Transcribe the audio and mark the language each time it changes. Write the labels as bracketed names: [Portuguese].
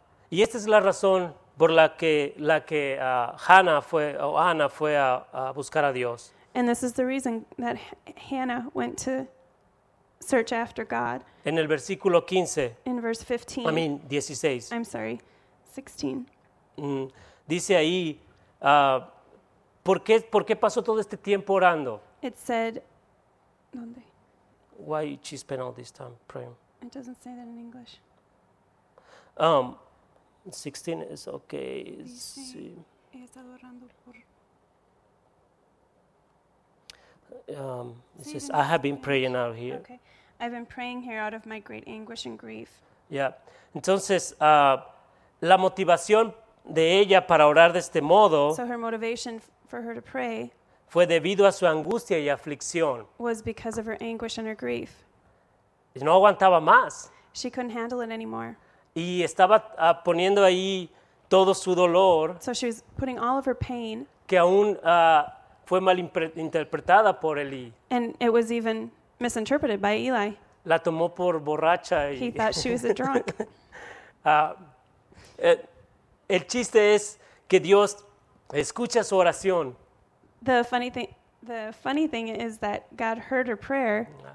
[Spanish] Y esta es la razón por la que Hannah fue a buscar a Dios. [English] And this is the reason that Hannah went to search after God. [Spanish] En el versículo 15. [English] In verse 15. I mean, 16. I'm sorry, 16. [Spanish] Dice ahí, ¿Por qué pasó todo este tiempo orando? [English] It said, [Spanish] ¿dónde? [English] Why she spent all this time praying? It doesn't say that in English. 16 is okay. Sí. [Spanish] He estado orando por. [English] It says, I have been praying out here. Okay. I've been praying here out of my great anguish and grief. Yeah. [Spanish] Entonces, la motivación de ella para orar de este modo. [English] So her motivation for her to pray [Spanish] fue debido a su angustia y aflicción. [English] Was because of her anguish and her grief. [Spanish] Y no aguantaba más. [English] She couldn't handle it anymore. [Spanish] Y estaba poniendo ahí todo su dolor. [English] So she was putting all of her pain. [Spanish] Que aún fue mal interpretada por Eli. [English] And it was even misinterpreted by Eli. [Spanish] La tomó por borracha. Y... [English] He thought she was a drunk. [Spanish] El chiste es que Dios escucha su oración. [English] The funny thing is that God heard her prayer.